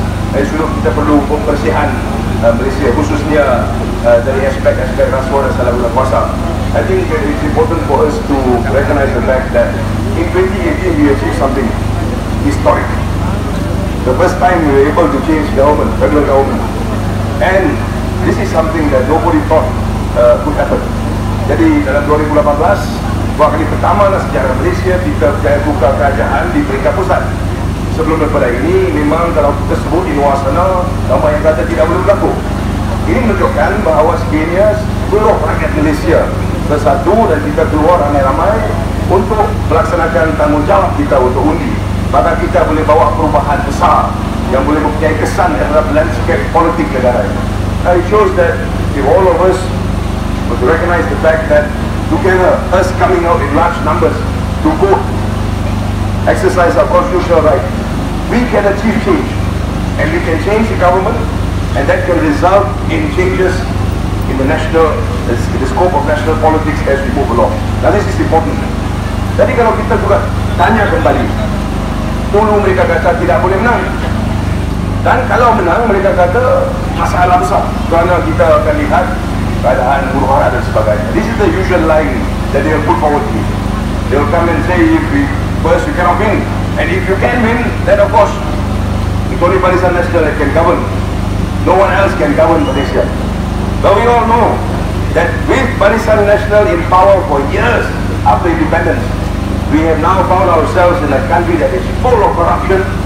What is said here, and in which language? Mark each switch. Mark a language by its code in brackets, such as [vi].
[ms] Dan juga kita perlu pembersihan Malaysia, khususnya dari aspek-aspek rasuah dan salah guna kuasa. [en] I think it's important for us to recognize the fact that in 2018 we achieved something historic. The first time we were able to change government, federal government. And this is something that nobody thought could happen. [ms] Jadi dalam 2018, dua kali pertama lah sejarah Malaysia kita buka kerajaan di peringkat pusat. Sebelum daripada ini, memang kalau kita sebut di luar sana, ramai yang kata tidak boleh berlaku. Ini menunjukkan bahawa sekiranya seluruh rakyat Malaysia bersatu dan kita keluar ramai-ramai untuk melaksanakan tanggungjawab kita untuk undi, maka kita boleh bawa perubahan besar yang boleh mempunyai kesan terhadap landscape politik negara ini. [en] It shows that if all of us would recognize the fact that together, us coming out in large numbers to vote, exercise our constitutional right, we can achieve change. And we can change the government, and that can result in changes in the national, in the scope of national politics as we move along. Now this is important. [ms] Jadi kalau kita juga tanya kembali, dulu mereka kata tidak boleh menang. Dan kalau menang, mereka kata masalah besar. Kerana kita akan lihat keadaan huru-hara dan sebagainya. [en] This is the usual line that they will put forward to me. They will come and say, if we, first you cannot win. And if you can win, then of course, it's only Barisan Nasional that can govern. No one else can govern Malaysia. But we all know that with Barisan Nasional in power for years after independence, we have now found ourselves in a country that is full of corruption.